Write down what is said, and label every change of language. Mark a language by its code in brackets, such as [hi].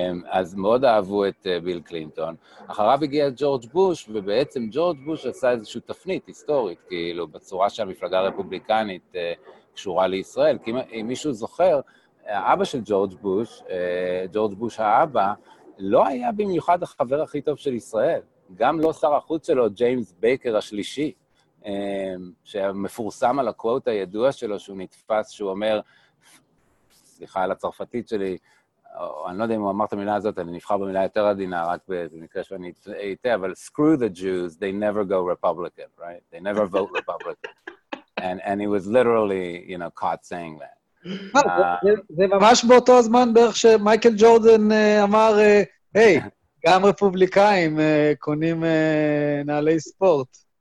[he] אז מאוד אהבו את ביל קלינטון. אחריו הגיע ג'ורג' בוש, ובעצם ג'ורג' בוש עשה איזושהי תפנית היסטורית, כאילו בצורה שהמפלגה הרפובליקנית קשורה לישראל, כי אם מישהו זוכר, האבא של ג'ורג' בוש, ג'ורג' בוש האבא, לא היה במיוחד החבר הכי טוב של ישראל. גם לא שר החוץ שלו, ג'יימס בייקר השלישי, שמפורסם על הקווט הידוע שלו, שהוא נתפס, שהוא אומר, סליחה על הצרפתית שלי, אני לא יודע אם הוא אמר את המילה הזאת, אני נבחר במילה יותר עדינה, רק במקרה שאני איתה, אבל [en] screw the Jews, they never go Republican, right? They never vote Republican. And he was literally, you know, caught saying that. [he] זה ממש באותו הזמן בערך שמייקל ג'ורדן אמר, היי, גם רפובליקאים קונים נעלי ספורט.